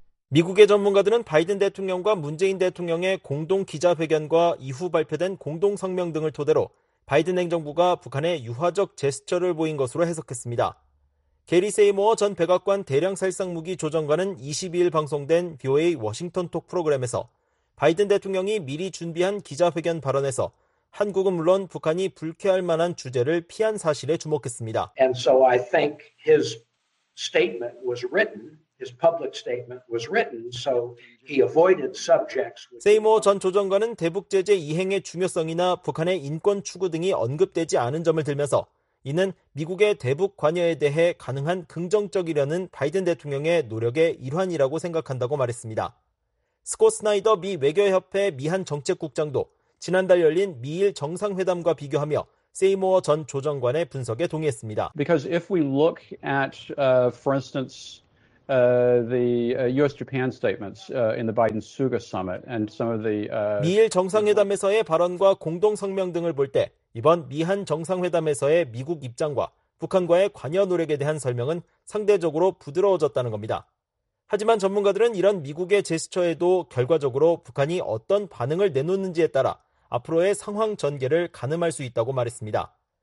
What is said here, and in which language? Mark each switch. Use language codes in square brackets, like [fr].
[ko] 미국의 전문가들은 바이든 대통령과 문재인 대통령의 공동 기자회견과 이후 발표된 공동성명 등을 토대로 바이든 행정부가 북한의 유화적 제스처를 보인 것으로 해석했습니다. 게리 세이모어 전 백악관 대량살상무기 조정관은 22일 방송된 VOA 워싱턴톡 프로그램에서 바이든 대통령이 미리 준비한 기자회견 발언에서 한국은 물론 북한이 불쾌할 만한 주제를 피한 사실에 주목했습니다. [en] And so I think his statement was written, his public statement was written, so he avoided subjects. [ko] 세이모어 전 조정관은 대북 제재 이행의 중요성이나 북한의 인권 추구 등이 언급되지 않은 점을 들면서 이는 미국의 대북 관여에 대해 가능한 긍정적이려는 바이든 대통령의 노력의 일환이라고 생각한다고 말했습니다. 스콧 스나이더 미 외교협회 미한정책국장도 지난달 열린 미일 정상회담과 비교하며 세이모어 전 조정관의 분석에 동의했습니다. [en] Because if we look at, for instance, the U.S.-Japan statements in the Biden-Suga summit and some of the [ko] 미일 정상회담에서의 발언과 공동성명 등을 볼 때 이번 미한 정상회담에서의 미국 입장과 북한과의 관여 노력에 대한 설명은 상대적으로 부드러워졌다는 겁니다. 하지만 전문가들은 이런 미국의 제스처에도 결과적으로 북한이 어떤 반응을 내놓는지에 따라 앞으로의 상황 전개를 가늠할 수 있다고 말했습니다.